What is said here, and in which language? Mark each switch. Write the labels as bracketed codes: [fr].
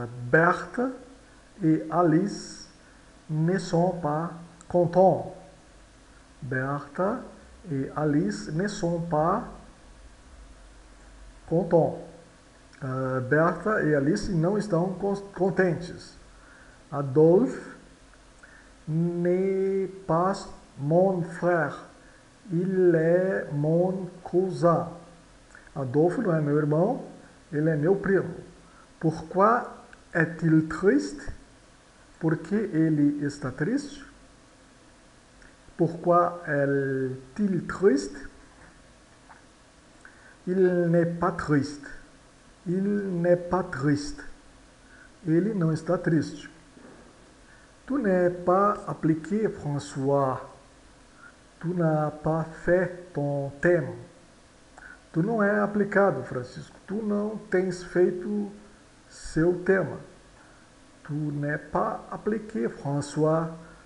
[fr] Berta e Alice ne sont pas contents. Berta e Alice ne sont pas contents. [pt] Berta e Alice não estão contentes. [fr] Adolphe n'est pas mon frère. Il est mon cousin. [pt] Adolphe não é meu irmão, ele é meu primo. [fr] Pourquoi est-il triste? [pt] Por que ele está triste? [fr] Pourquoi est-il triste? Il n'est pas triste. Il n'est pas triste. [pt] Ele não está triste. [fr] Tu n'es pas appliqué, François. Tu n'as pas fait ton thème. [pt] Tu não é aplicado, Francisco. Tu não tens feito seu tema. [fr] Tu n'es pas appliqué, François.